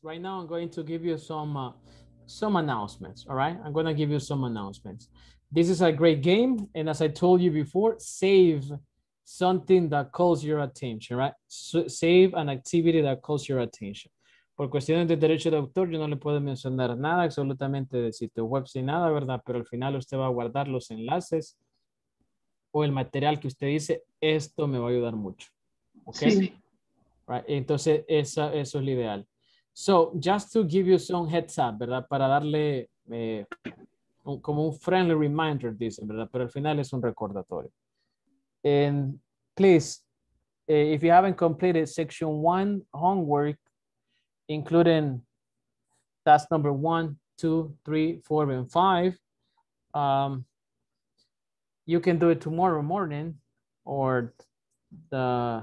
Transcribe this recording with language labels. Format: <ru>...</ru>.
<en>Right now, I'm going to give you some announcements, all right? I'm going to give you some announcements. This is a great game. And as I told you before, save something that calls your attention, right? Save an activity that calls your attention.</en> <es>Por cuestiones de derecho de autor, yo no le puedo mencionar nada absolutamente de sitio web, sin nada, ¿verdad? Pero al final usted va a guardar los enlaces o el material que usted dice, esto me va a ayudar mucho, ¿ok? Sí. Right. Entonces, eso es lo ideal.</es> <en>So, just to give you some heads up, ¿verdad?</en> <es>Para darle como un</es> <en>friendly reminder,</en> <es>dicen, ¿verdad? Pero al final es un recordatorio.</es> <en>And please, if you haven't completed section one homework, including task number 1, 2, 3, 4, and 5, you can do it tomorrow morning or the...</en>